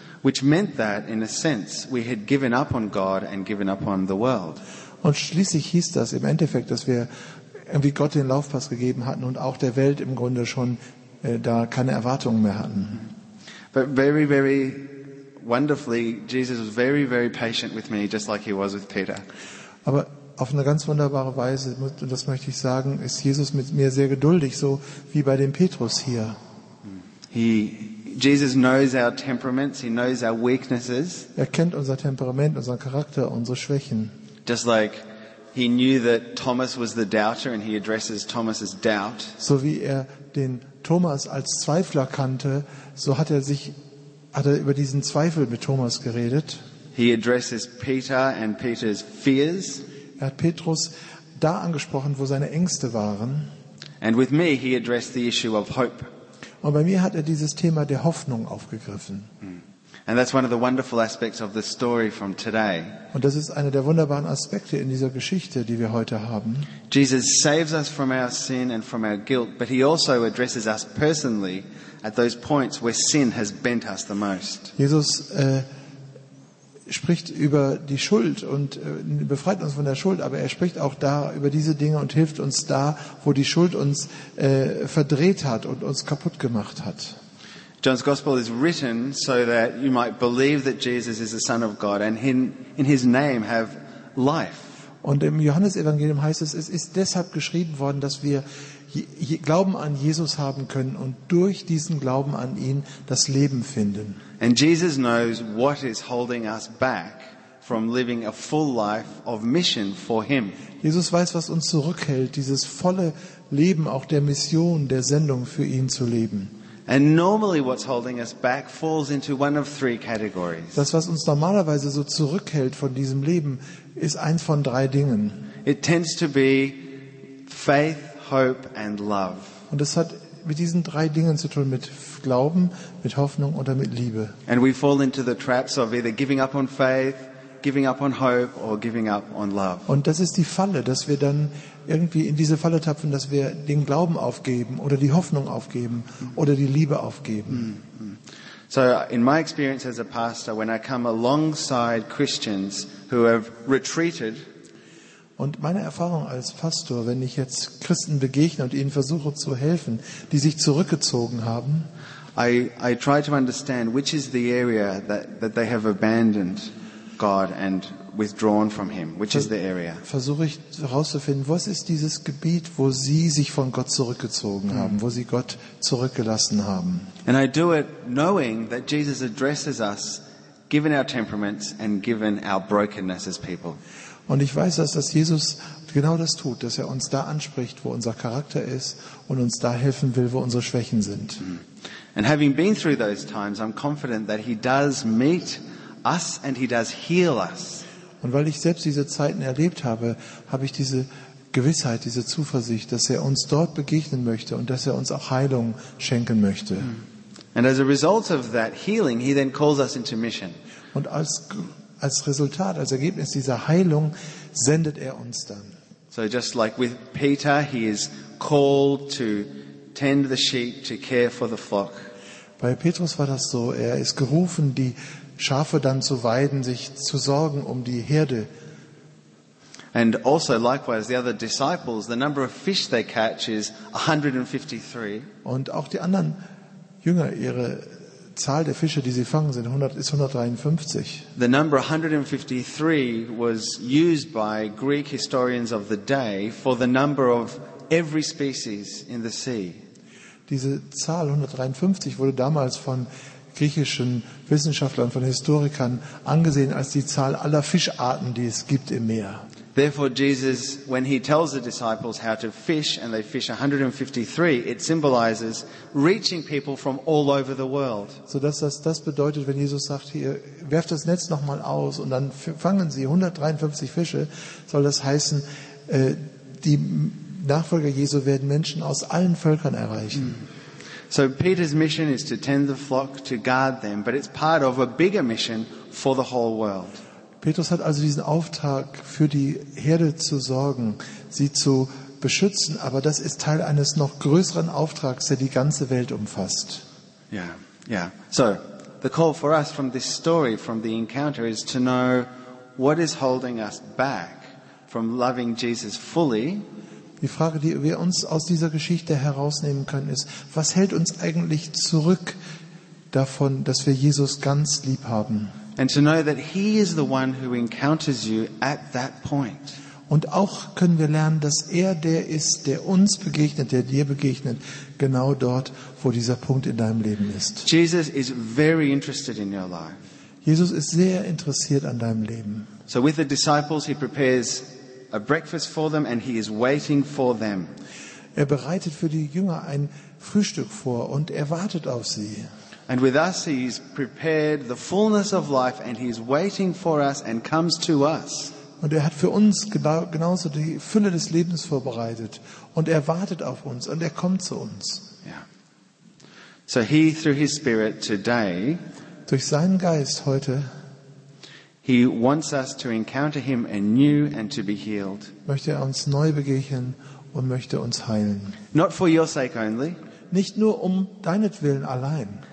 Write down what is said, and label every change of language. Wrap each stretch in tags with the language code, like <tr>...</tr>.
<en>Which meant that, in a sense, we had given up on God and given up on the world.</en> <de>Und schließlich hieß das im Endeffekt, dass wir irgendwie Gott den Laufpass gegeben hatten und auch der Welt im Grunde schon da keine Erwartungen mehr hatten.</de> <en>But very, very wonderfully, Jesus was very, very patient with me, just like he was with Peter.</en> <de>Aber auf eine ganz wunderbare Weise, und das möchte ich sagen, ist Jesus mit mir sehr geduldig, so wie bei dem Petrus hier.</de> <en>Jesus knows our temperaments, he knows our weaknesses.</en> <de>Er kennt unser Temperament, unseren Charakter, unsere Schwächen.</de> <en>Just like he knew that Thomas was the doubter and he addresses Thomas's doubt.</en> <de>So wie er den Thomas als Zweifler kannte, so hat er über diesen Zweifel mit Thomas geredet.</de> <en>He addresses Peter and Peter's fears.</en> <de>Er hat Petrus da angesprochen, wo seine Ängste waren.</de> <en>And with me he addressed the issue of hope.</en> <de>Und bei mir hat er dieses Thema der Hoffnung aufgegriffen.</de> <en>And that's one of the wonderful aspects of the story from today.</en> <de>Und das ist einer der wunderbaren Aspekte in dieser Geschichte, die wir heute haben.</de> <en>Jesus saves us from our sin and from our guilt, but he also addresses us personally at those points where sin has bent us the most.</en> <de>Jesus spricht über die Schuld und befreit uns von der Schuld, aber er spricht auch da über diese Dinge und hilft uns da, wo die Schuld uns verdreht hat und uns kaputt gemacht hat.</de> <en>John's Gospel is written so that you might believe that Jesus is the Son of God and in his name have life.</en> <de>Und im Johannesevangelium heißt es, es ist deshalb geschrieben worden, dass wir Glauben an Jesus haben können und durch diesen Glauben an ihn das Leben finden.</de> <en>And Jesus knows what is holding us back from living a full life of mission for him.</en> <de>Jesus weiß, was uns zurückhält, dieses volle Leben auch der Mission, der Sendung für ihn zu leben.</de> <en>And normally what's holding us back falls into one of three categories.</en> <de>Das, was uns normalerweise so zurückhält von diesem Leben, ist eins von drei Dingen.</de> <en>It tends to be faith, hope and love.</en> <de>Und es hat mit diesen drei Dingen zu tun, mit Glauben, mit Hoffnung oder mit Liebe.</de> <en>And we fall into the traps of either giving up on faith, giving up on hope or giving up on love.</en> <de>Und das ist die Falle, dass wir dann irgendwie in diese Falle tapfen, dass wir den Glauben aufgeben oder die Hoffnung aufgeben oder die Liebe aufgeben.</de> <en>So in my experience as a pastor, when I come alongside Christians who have retreated.</en> <de>Und meine Erfahrung als Pastor, wenn ich jetzt Christen begegne und ihnen versuche zu helfen, die sich zurückgezogen haben,</de> <en>I try to understand which is the area that they have abandoned God and withdrawn from him, which is the area.</en> <de>Versuche ich herauszufinden, was ist dieses Gebiet, wo sie sich von Gott zurückgezogen haben, wo sie Gott zurückgelassen haben.</de> <en>And I do it knowing that Jesus addresses us given our temperaments and given our brokenness as people.</en> <de>Und ich weiß, dass Jesus genau das tut, dass er uns da anspricht, wo unser Charakter ist und uns da helfen will, wo unsere Schwächen sind.</de> <en>And having been through those times, I'm confident that he does meet us and he does heal us.</en> <de>Und weil ich selbst diese Zeiten erlebt habe, habe ich diese Gewissheit, diese Zuversicht, dass er uns dort begegnen möchte und dass er uns auch Heilung schenken möchte.</de> <en>And as a result of that healing, he then calls us into mission.</en> <de>Und als Resultat, als Ergebnis dieser Heilung, sendet er uns dann.</de> <en>So just like with Peter, he is called to tend the sheep, to care for the flock.</en> <de>Bei Petrus war das so, er ist gerufen, die Schafe dann zu weiden, sich zu sorgen um die Herde.</de> <en>And also likewise the other disciples, the number of fish they catch is 153.</en> <de>Und auch die anderen Jünger, ihre Zahl der Fische, die sie fangen, ist 153.</de> <en>The number 153 was used by Greek historians of the day for the number of every species in the sea.</en> <de>Diese Zahl 153 wurde damals von griechischen Wissenschaftlern, von Historikern angesehen als die Zahl aller Fischarten, die es gibt im Meer.</de> <en>Therefore Jesus, when he tells the disciples how to fish and they fish 153, it symbolizes reaching people from all over the world.</en> <de>So dass das bedeutet, wenn Jesus sagt, hier, werft das Netz nochmal aus und dann fangen sie 153 Fische, soll das heißen, die Nachfolger Jesu werden Menschen aus allen Völkern erreichen.</de> <en>So Peter's mission is to tend the flock, to guard them, but it's part of a bigger mission for the whole world.</en> <de>Petrus hat also diesen Auftrag, für die Herde zu sorgen, sie zu beschützen, aber das ist Teil eines noch größeren Auftrags, der die ganze Welt umfasst.</de> <en>Yeah. So, the call for us from this story, from the encounter, is to know what is holding us back from loving Jesus fully.</en> <de>Die Frage, die wir uns aus dieser Geschichte herausnehmen können, ist, was hält uns eigentlich zurück davon, dass wir Jesus ganz lieb haben?</de> <en>And to know that he is the one who encounters you at that point.</en> <de>Und auch können wir lernen, dass er der ist, der uns begegnet, der dir begegnet, genau dort, wo dieser Punkt in deinem Leben ist.</de> <en>Jesus is very interested in your life.</en> <de>Jesus ist sehr interessiert an deinem Leben.</de> <en>So with the disciples he prepares a breakfast for them and he is waiting for them.</en> <de>Er bereitet für die Jünger ein Frühstück vor und er wartet auf sie.</de> <en>And with us he has prepared the fullness of life and he is waiting for us and comes to us.</en> <de>Und er hat für uns genauso die Fülle des Lebens vorbereitet und er wartet auf uns und er kommt zu uns.</de> <en>Yeah. So he through his spirit today,</en> <de>durch seinen Geist heute,</de> <en>he wants us to encounter him anew and to be healed.</en> <de>Möchte er uns neu begegnen und möchte uns heilen.</de> <en>Not for your sake only,</en> <de>nicht nur um deinetwillen allein,</de>